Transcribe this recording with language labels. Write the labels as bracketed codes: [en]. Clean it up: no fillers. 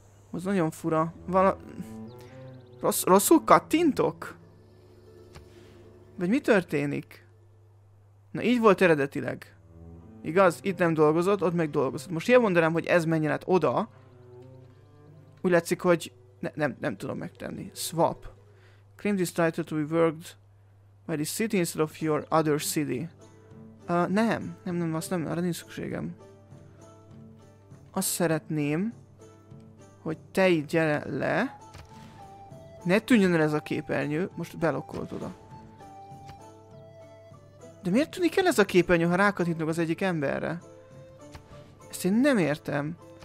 [hu] Az nagyon fura. Rosszul kattintok? Vagy mi történik? Na így volt eredetileg. Igaz? Itt nem dolgozott, ott meg dolgozott. Most én mondanám, hogy ez menjen át oda. Úgy látszik, hogy... Nem tudom megtenni. Swap. [en] Claim this title to be worked by the city instead of your other city. [hu] Nem, arra nincs szükségem. Azt szeretném, hogy te így gyere le. Ne tűnjön el ez a képernyő. Most belokkolt oda. De miért tűnik el ez a képernyő, ha rákattintok az egyik emberre? Ezt én nem értem.